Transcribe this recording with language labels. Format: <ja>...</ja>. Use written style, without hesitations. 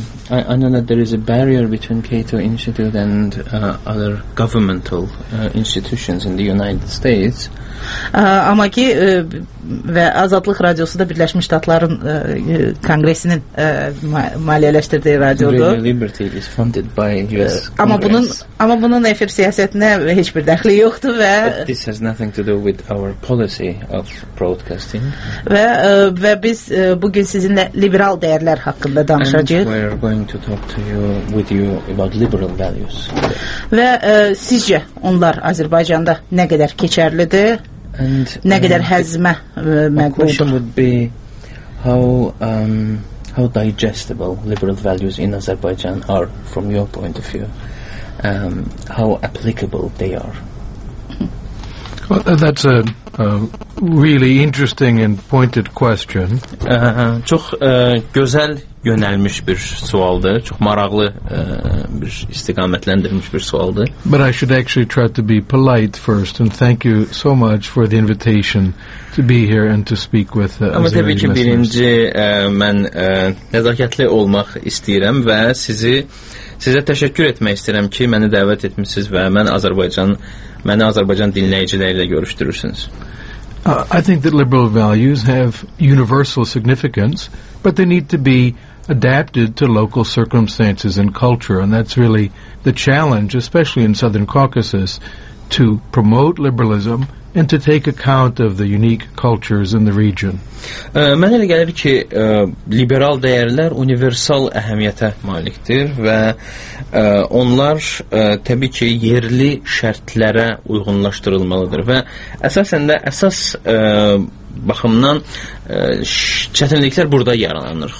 <en>I know that there is a barrier between Cato Institute and other governmental institutions in the United States.</en> <az>Amma ki və Azadlıq Radiosu da Birləşmiş Ştatların Konqresinin maliyyələşdirdiyi radiodur.</az> <en>Radio Liberty is funded by US Congress.</en> <az>Amma bunun efir siyasətinə heç bir dəxli yoxdur və</az> <en>this has nothing to do with our policy of broadcasting.</en> <az>Və biz bugün sizinlə liberal dəyərlər haqqında danışacağıq.</az> <en>And we are going to talk to you with you about liberal values.</en> <az>Və sizcə onlar Azərbaycanda nə qədər keçərlidir?</az> <en>And</en> <az>nə qədər həzmə məqbuldur?</az> <en>My question would be how digestible liberal values in Azerbaijan are from your point of view, how applicable they are. Well, that's a really interesting and pointed question.</en> <az>Çox gözəl yönəlmiş bir sualdır, çox maraqlı bir istiqamətləndirilmiş bir sualdır.</az> <en>But I should actually try to be polite first and thank you so much for the invitation to be here and to speak with us.</en> <az>Amma təbii ki, birinci mən nəzakətli olmaq istəyirəm və sizə təşəkkür etmək istəyirəm ki, məni dəvət etmisiniz və məni Azərbaycan dinləyiciləri ilə görüşdürürsünüz.</az> <en>I think that liberal values have universal significance, but they need to be adapted to local circumstances and culture, and that's really the challenge, especially in Southern Caucasus, to promote liberalism and to take account of the unique cultures in the region.</en> <az>Mənə elə gəlir ki, liberal dəyərlər universal əhəmiyyətə malikdir və onlar təbii ki, yerli şərtlərə uyğunlaşdırılmalıdır və əsas baxımdan çətinliklər burada yaranır.</az>